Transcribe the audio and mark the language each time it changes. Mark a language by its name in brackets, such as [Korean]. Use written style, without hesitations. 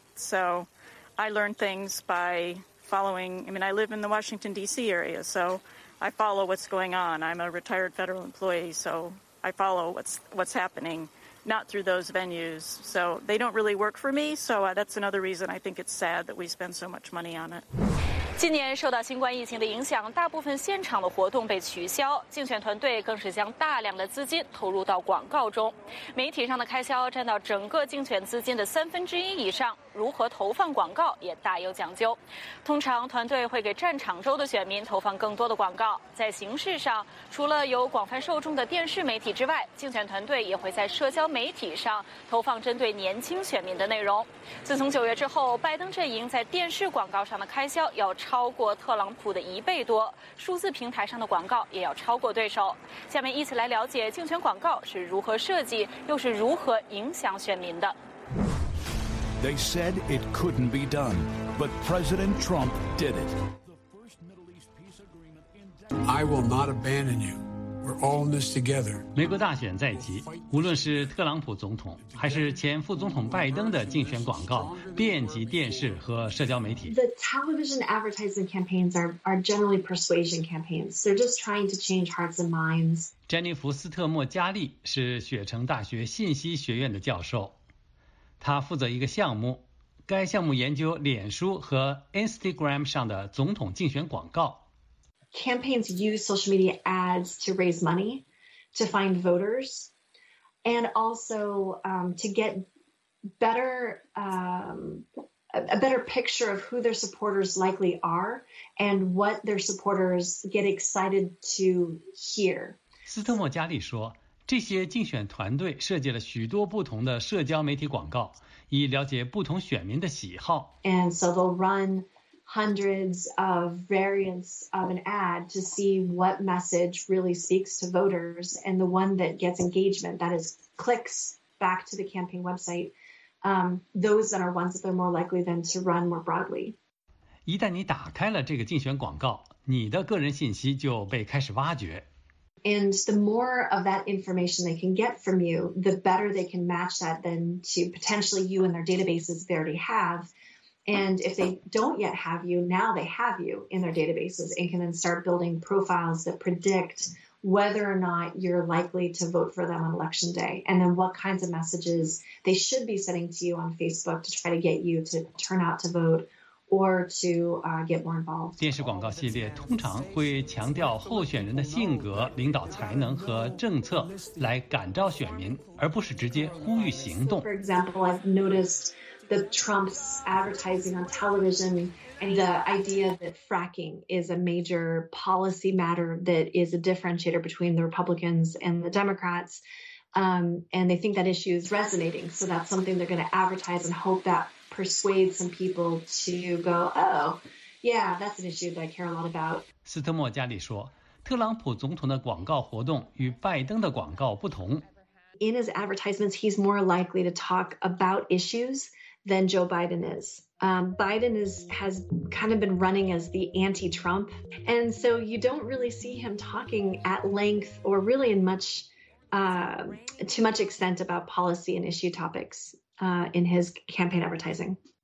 [English] So I learn things by... I live in the Washington, D.C. area, so I follow what's going on. I'm a retired federal employee, so I follow what's happening, not through those venues. So they don't really work for me, so that's another reason I think it's sad that we spend so much money on it. [Chinese] 今年受到新冠疫情的影响，大部分现场的活动被取消，竞选团队更是将大量的资金投入到广告中。媒体上的开销占到整个竞选资金的1/3以上，如何投放广告也大有讲究。通常团队会给战场州的选民投放更多的广告。在形式上，除了有广泛受众的电视媒体之外，竞选团队也会在社交媒体上投放针对年轻选民的内容。自从9月之后，拜登阵营在电视广告上的开销要超过特朗普的1倍多，数字平台上的广告也要超过对手。下面一起来了解竞选广告是如何设计，又是如何影响选民的。 [English] They said it couldn't be done, but President Trump did it. I will not abandon you. We're all in this together. [Chinese] 美国大选在即，无论是特朗普总统还是前副总统拜登的竞选广告，遍及电视和社交媒体。 [English] The television advertising campaigns are generally persuasion campaigns. They're just trying to change hearts and minds. [Chinese] 詹妮弗·斯特莫·加利是雪城大学信息学院的教授。他负责一个项目，该项目研究脸书和 Instagram 上的总统竞选广告。 [English] Campaigns use social media ads to raise money, to find voters, and also to get better, a better picture of who their supporters likely are and what their supporters get excited to hear. [Chinese] 斯特莫加利说，这些竞选团队设计了许多不同的社交媒体广告，以了解不同选民的喜好。 [English] And so they'll run hundreds of variants of an ad to see what message really speaks to voters, and the one that gets engagement, that is clicks back to the campaign website, those that are ones that they're more likely than to run more broadly. [Chinese] 一旦你打开了这个竞选广告，你的个人信息就被开始挖掘。 [English] And the more of that information they can get from you, the better they can match that then to potentially you and their databases they already have. And if they don't yet have you, now they have you in their databases and can then start building profiles that predict whether or not you're likely to vote for them on election day. And then what kinds of messages they should be sending to you on Facebook to try to get you to turn out to vote. Or to get more involved. [Chinese] 电视广告系列通常会强调候选人的性格、领导才能和政策来感召选民，而不是直接呼吁行动。 [English] For example, I've noticed the Trump's advertising on television and the idea that fracking is a major policy matter that is a differentiator between the Republicans and the Democrats. And they think that issue is resonating. So that's something they're going to advertise and hope that persuades some people to go, oh, yeah, that's an issue that I care a lot about. [Chinese] 斯特莫加里说，特朗普总统的广告活动与拜登的广告不同。 [English] In his advertisements, he's more likely to talk about issues than Joe Biden is. Biden has kind of been running as the anti-Trump. And so you don't really see him talking at length or really in much, to much extent about policy and issue topics in his campaign advertising.